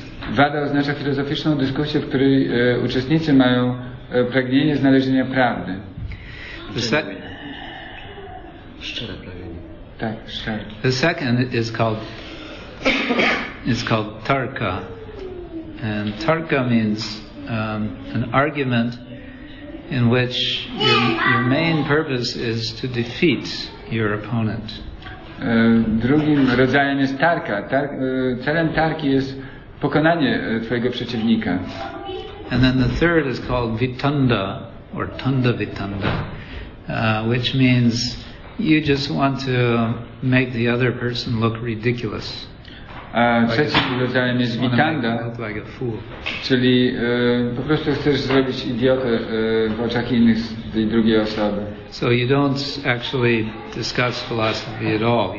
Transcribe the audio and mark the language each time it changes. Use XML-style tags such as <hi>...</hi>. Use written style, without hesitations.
<pl>Wada oznacza filozoficzną dyskusję, w której uczestnicy mają pragnienie znalezienia prawdy. Szczere pragnienie. Tak, szczere.</pl> <en>The second is called tarka. And tarka means an argument in which your main purpose is to defeat your opponent.</en> <pl>Drugim rodzajem jest tarka. Celem tarki jest pokonanie twojego przeciwnika.</pl> <en>And then the third is called vitanda or tanda vitanda, which means you just want to make the other person look ridiculous.</en> <pl>Trzecim rodzajem jest vitanda,</pl> <en>like a fool.</en> <pl>Czyli po prostu chcesz zrobić idiotę w oczach innych, tej drugiej osoby.</pl> <en>So you don't actually discuss philosophy at all.</en>